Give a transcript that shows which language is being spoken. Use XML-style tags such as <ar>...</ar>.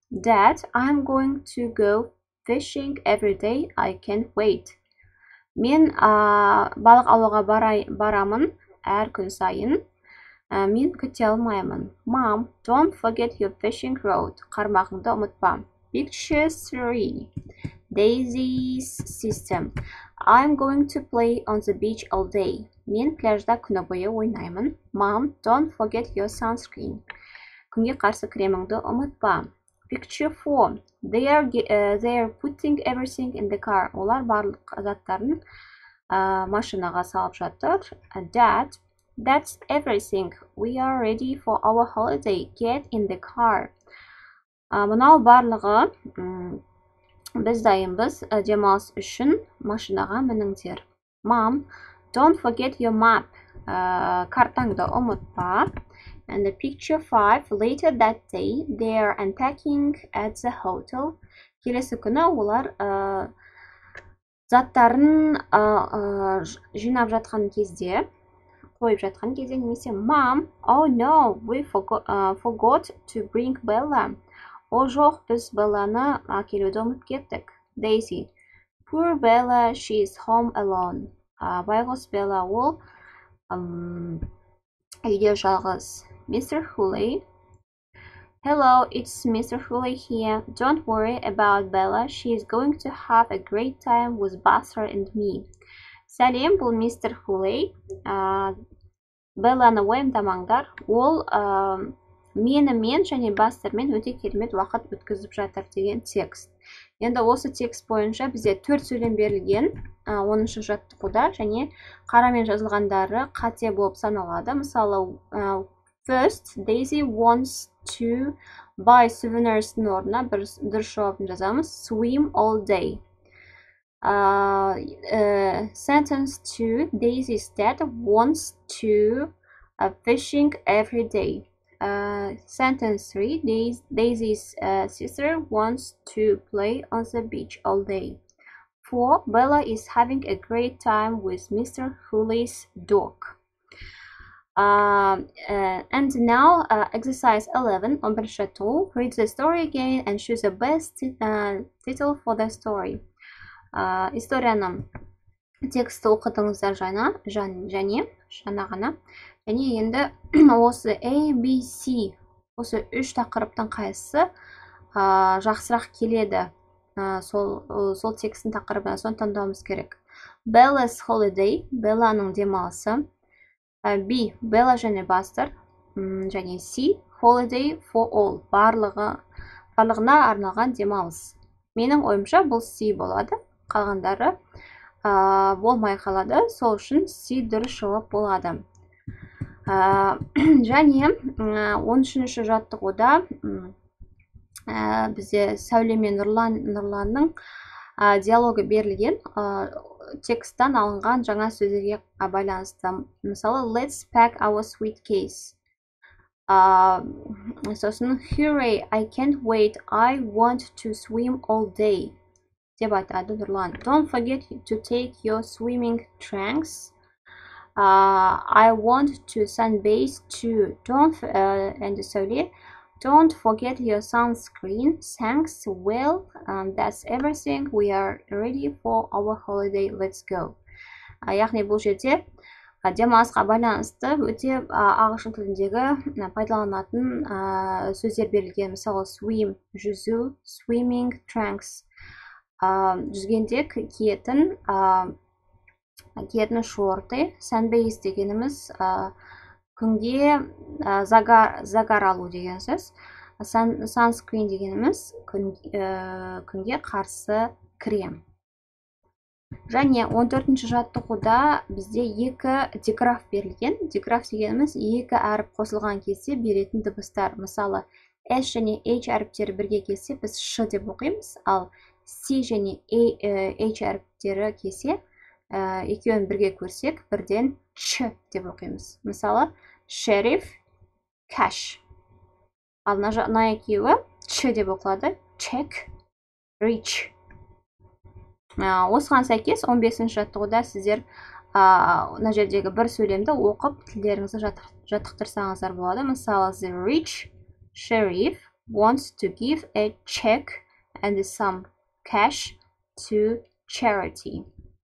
<en>Dad, I'm going to go fishing every day. I can't wait.</en> <kk>Мен балық алуға барамын әр күн сайын. Мен күте алмаймын.</kk> <en>Mom, don't forget your fishing rod.</en> <kk>Қармағыңды ұмытпа.</kk> <en>Picture 3. Daisy's system. I'm going to play on the beach all day.</en> <kk>Мен пляжда күні бойы ойнаймын.</kk> <en>Mom, don't forget your sunscreen.</en> <kk>Күнге қарсы кремыңды ұмытпа.</kk> <en>Picture 4. They are putting everything in the car.</en> <kk>Олар барлық заттарын машинаға салып жатыр.</kk> <en>Dad, that's everything. We are ready for our holiday. Get in the car.</en> <kk>Мынау барлығы біз дайынбыз демалыс үшін машинаға мініңдер.</kk> <en>Mom, don't forget your map.</en> <kk>Картаңды ұмытпа.</kk> <en>And the picture 5, later that day, they are unpacking at the hotel.</en> <kk>Келесі күні олар заттарын жинап жатқан кезде, қойып жатқан кезде, немесе,</kk> <en>Mom, oh no, we forgot to bring Bella.</en> <kk>О, жоқ, біз Белланы әкелуді ұмытып кеттік.</kk> <en>Daisy, poor Bella, she is home alone.</en> <kk>Байғос Белла ол үйде жалғыз.</kk> <en>Mr. Hooley, hello, it's Mr. Hooley here. Don't worry about Bella. She is going to have a great time with Buster and me.</en> <kk>Сәлем, бұл Mr. Hooley. Белланы уайымдамаңдар. Ол менімен және Бастермен өте керемет уақыт өткізіп жатыр деген текст. Енді осы текст бойынша бізде 4 сөйлем берілген, 10-ші жаттығуда және қарамен жазылғандары қате болып саналады.</kk> <en>Мысалы, First, Daisy wants to buy souvenirs in</en> <kk>орнына бір дұрыс жауап жазамыз.</kk> <en>Swim all day. Sentence 2. Daisy's dad wants to fishing every day. Sentence 3. Daisy's sister wants to play on the beach all day. 4. Bella is having a great time with Mr. Hooley's dog. And now exercise 11 on page 2. Read the story again and choose the best title for the story.</en> <kk>Историяны тексті оқыдыңыздар жаңа ғана. Және енді осы A, B, C осы үш тақырыптың қайсысы жақсырақ келеді. Сол текстің тақырыбын соң таңдауымыз керек.</kk> <en>Bella's holiday,</en> <kk>Белланың демалысы.</kk> <en>B.</en> <kk>Bella және Buster.</kk> <en>Және C. Holiday for all.</en> <kk>Барлығына арналған демалыс. Менің ойымша бұл C болады. Қалғандары болмай қалады. Сол үшін C дұрыс жауап болады. Және 13-ші жаттығуда бізде Сәуле мен Нұрланның диалогы берілген. текстан алынған жаңа сөздерге байланысты.</kk> <en>Мысалы, let's pack our suitcase. Сосын, hurry, I can't wait, I want to swim all day.</en> <kk>Деп айтады Нұрлан.</kk> <en>Don't forget to take your swimming trunks. I want to sunbathe too. And Сәуле, don't forget your sunscreen. Thanks. Well, that's everything. We are ready for our holiday. Let's go.</en> <kk>Яғни бұл жерде демалысқа байланысты өте ағылшын тіліндегі пайдаланатын сөздер берілген. Мысалы, swim, жүзу, swimming trunks. Жүзгенде киетін киетін шорты, sunbathe дегеніміз күнге загар алу деген сөз. Sunscreen дегеніміз күнге қарсы крем. Және 14-ші жаттығуда бізде екі диграф берілген. Диграф дегеніміз екі әріп қосылған кезде беретін дыбыстар. Мысалы, S және H әріптері бірге келсе, біз Ш деп оқимыз. Ал C және H әріптері келсе, екеуін бірге көрсек, бірден Ч деп оқимыз. Мысалы, шериф, кәш. Ал на екеуі Ч деп оқылады. Чек, рич. Осыған сәйкес 15-ші жаттығуда сіздер мына жердегі бір сөйлемді оқып, тілдеріңізді жаттықтырсаңыздар болады.</kk> <en>Мысалы, the rich sheriff wants to give a check and some cash to charity.</en>